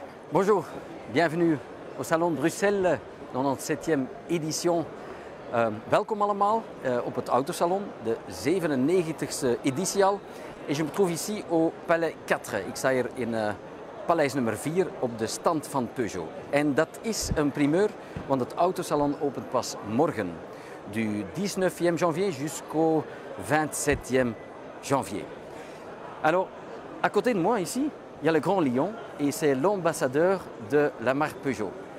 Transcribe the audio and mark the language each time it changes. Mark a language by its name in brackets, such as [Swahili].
[French] Bonjour, bienvenue au Salon de Bruxelles, dans notre 7e édition. [Dutch] Welkom allemaal op het Autosalon, de 97e editie al. [French] Et je me trouve ici au Palais 4. [Dutch] Ik sta hier in paleis nummer 4 op de stand van Peugeot. En dat is een primeur, want het Autosalon opent pas morgen. [French] Du 19e janvier jusqu'au 27e janvier. Alors, à côté de moi ici, il y a le Grand Lion et c'est l'ambassadeur de la marque Peugeot.